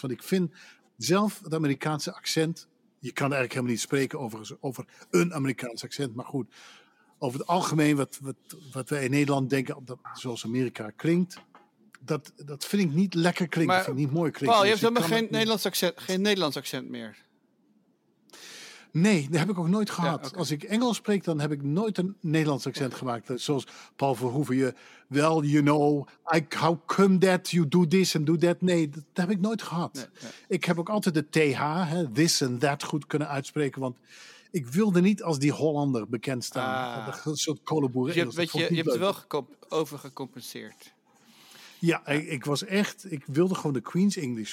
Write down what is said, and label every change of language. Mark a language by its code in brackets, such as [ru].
[nl] Want ik vind zelf het Amerikaanse accent, je kan eigenlijk helemaal niet spreken over een Amerikaans accent, maar goed, over het algemeen wat wij in Nederland denken, dat zoals Amerika klinkt, dat vind ik niet lekker klinken, maar, vind ik niet mooi klinken. Paul, je hebt helemaal geen Nederlands accent meer. Nee, dat heb ik ook nooit gehad. Ja, okay. Als ik Engels spreek, dan heb ik nooit een Nederlands accent gemaakt. Zoals [en] Paul Verhoeven, well, you know, I, how come that you do this and do that? [nl] Nee, dat heb ik nooit gehad. Nee. Ik heb ook altijd de TH, hè, [en] this and that, [nl] goed kunnen uitspreken. Want ik wilde niet als die Hollander bekend staan. Ah. Een soort kolenboer. Je hebt het wel overgecompenseerd. Ja, ik was echt, ik wilde gewoon de Queen's English.